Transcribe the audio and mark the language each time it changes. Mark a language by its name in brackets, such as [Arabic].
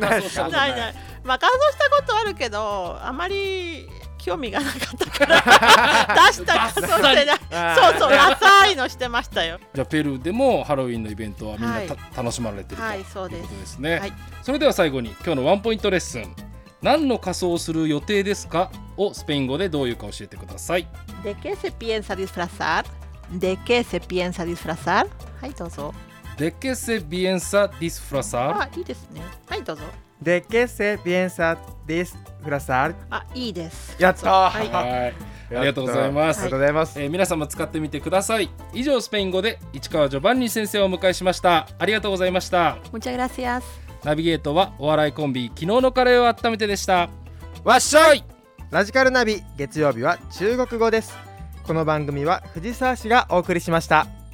[Japanese] ない、ない、ない、まあ感動したことあるけどあまり興味がなかったから出した仮装してない。そうそう、ダサいのしてましたよ。じゃあペルーでもハロウィンのイベントはみんな、はい、楽しまれてると、はい、そうです、ということですね、はい、それでは最後に今日のワンポイントレッスン、何の仮装をする予定ですかをスペイン語でどういうか教えてください。 [Spanish] ¿De qué se piensa disfrazar? ¿De qué se piensa disfrazar? [Japanese] はい、どうぞ。 [Spanish] ¿De qué se piensa disfrazar? [Japanese] あ、いいですね。はい、どうぞ。 [Spanish] ¿De qué se piensa disfrazar? [Japanese] あ、いいです。やった、はい、はい、ありがとうございます。ありがとうございます、はい、皆さんも使ってみてください。以上、スペイン語で市川ジョバンニ先生をお迎えしました。ありがとうございました。 [Spanish] Muchas gracias。 [Japanese] ナビゲートはお笑いコンビ昨日のカレーを温めてでした。わっしょい。ラジカルナビ、月曜日は中国語です。この番組は藤沢氏がお送りしました。